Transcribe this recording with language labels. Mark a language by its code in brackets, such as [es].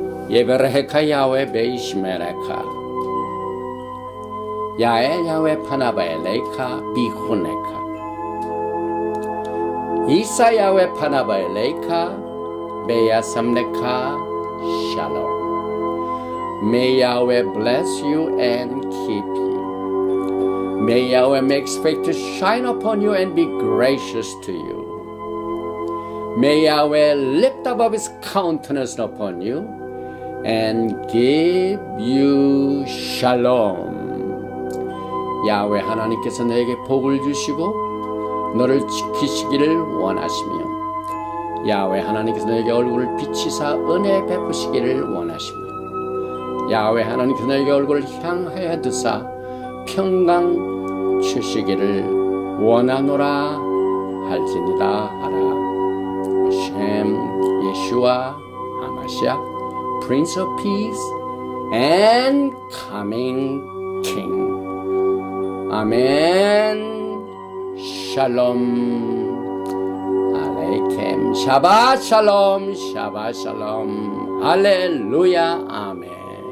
[he] 예베레카 야웨 베이시메레카 야엘 야웨 파나바에 레이카 비호네카 이사야외 파나바의 레이카 메야삼레카 샬롬. [en] May Yahweh bless you and keep you. May Yahweh make his face to shine upon you and be gracious to you. May Yahweh lift up his countenance upon you and give you shalom. [ko] 야훼 하나님께서 너에게 복을 주시고 너를 지키시기를 원하시며 야훼 하나님께서 너에게 얼굴을 비치사 은혜 베푸시기를 원하시며 야훼 하나님께서 너에게 얼굴을 향하여 드사 평강 주시기를 원하노라 할지니다. [he] 하라 쉼 예수와 아마시아 [en] Prince of Peace and Coming King. [ko] 아멘. [he] 샬롬 알레이켐 샤바 샬롬 샤바 샬롬 할렐루야 아멘.